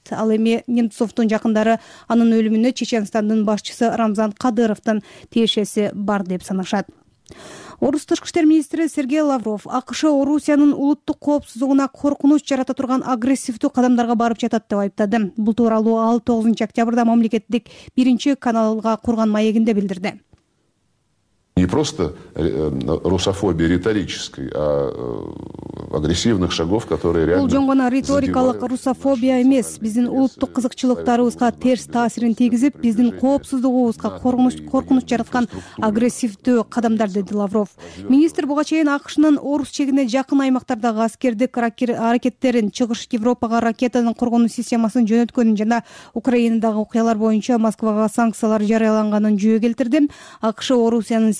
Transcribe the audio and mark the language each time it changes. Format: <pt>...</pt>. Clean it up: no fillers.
<ky>Ал эми Немцовдун жакындары анын өлүмүнө Чечен башчысы Рамзан Кадыровдун тиешеси бар деп санашат. Орус тышкы иштер министри Сергей Лавров АКШ Орусиянын улуттук коопсуздугуна коркунуч жарата турган агрессивдүү кадамдарга барып жатат деп айыптады. Бул тууралуу ал 9 октябрда мамлекеттик биринчи каналга курган маегинде билдирди.</ky> <ru>Не просто русофобия риторической, а агрессивных шагов, которые реально.</ru> <ky>Бул жөн гана риторикалык русофобия эмес, биздин улуттук кызыкчылыктарыбызга терс таасирин тийгизип, биздин коопсуздугубузга коркунуч жараткан агрессивдүү кадамдар, деди Лавров. Министр буга чейин АКШнын Орус чегине жакын аймактардагы аскердик аракеттерин, чыгыш Европага ракетанын коргонуу системасын жөнөткөнүн жана Украинадагы окуялар боюнча Москвага санкциялар жарыяланганын жүйө келтирди. АКШ Орусиянын</ky>